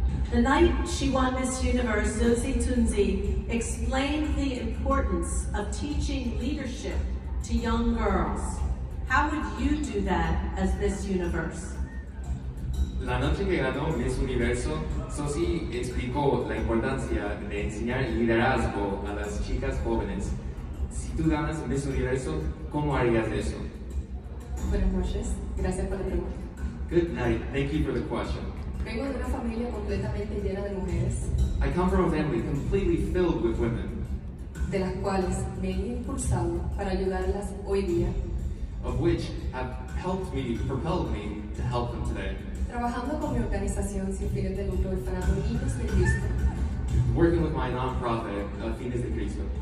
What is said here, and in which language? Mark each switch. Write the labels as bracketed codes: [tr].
[en] The night she won Miss Universe, Zosie Tunzi explained the importance of teaching leadership to young girls. How would you do that as Miss Universe? [es] La noche que ganó Miss Universo, Zosie explicó la importancia de enseñar liderazgo a las chicas jóvenes. Si tú ganas Miss Universo, ¿cómo harías eso? Buenas noches. Gracias por la pregunta. [en] Good night. Thank you for the question. [es] Vengo de una familia completamente llena de mujeres. [en] I come from a family completely filled with women. [es] De las cuales me he impulsado para ayudarlas hoy día. [en] Of which have helped me, propelled me to help them today. [es] Trabajando con mi organización sin fines de lucro, Orfanato Niños de Cristo. [en] Working with my non-profit, Fines de Cristo.